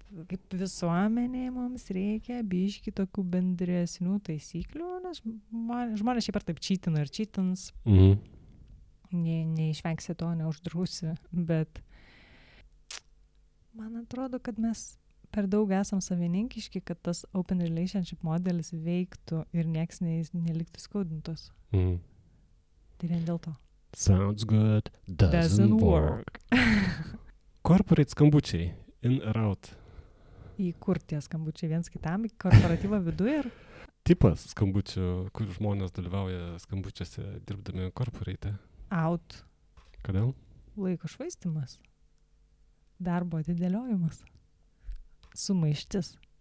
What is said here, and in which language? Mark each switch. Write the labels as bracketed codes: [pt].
[lt] kaip visuomenėje mums reikia biški tokių bendresnių taisyklių, nes žmonės šiaip ar taip čytina ir čytins. Mhm. Neišvengsi to, neuždrūsi, bet man atrodo, kad mes per daug esam savininkiški, kad tas open relationship modelis veiktų ir nieks neliktų skaudintus. Mhm. Tai vien dėl to. [en] Sounds good, doesn't work. Corporate skambučiai, in or out. [lt] Į kur tie skambučiai, viens kitam, į korporatyvą vidu ir? Tipas skambučių, kur žmonės dalyvauja skambučiuose dirbdami korporate. [en] Out. [lt] Kodėl? Laiko švaistimas. Darbo atidėliojimas. Sumaištis.